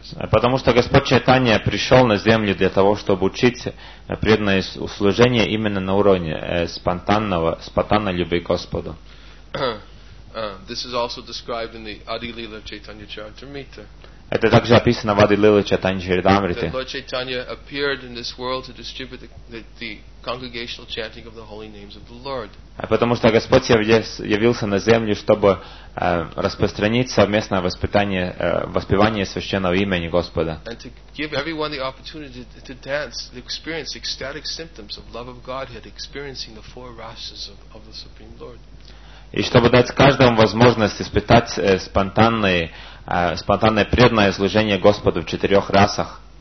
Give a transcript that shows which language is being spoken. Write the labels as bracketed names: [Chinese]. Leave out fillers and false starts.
[Russian] Потому что Господь Чайтанья пришел на землю для того, чтобы учить преданное служение именно на уровне спонтанной любви к Господу. [English] This is also described in the Adi Lila Chaitanya Charitamrita. [Russian] Это также описано в Адилиле Лила Чайтанья Чаритамрите. [English] Lord Chaitanya appeared in this world to distribute the congregational chanting of the holy names of the Lord. [Russian] Потому что Господь явился на землю, чтобы распространить совместное воспевание священного имени Господа. [English] And to give everyone the opportunity to dance, to experience ecstatic symptoms of love of Godhead, experiencing the four rasas of the Supreme Lord. [Russian] И чтобы дать каждому возможность испытать спонтанное преданное служение Господу в четырех расах.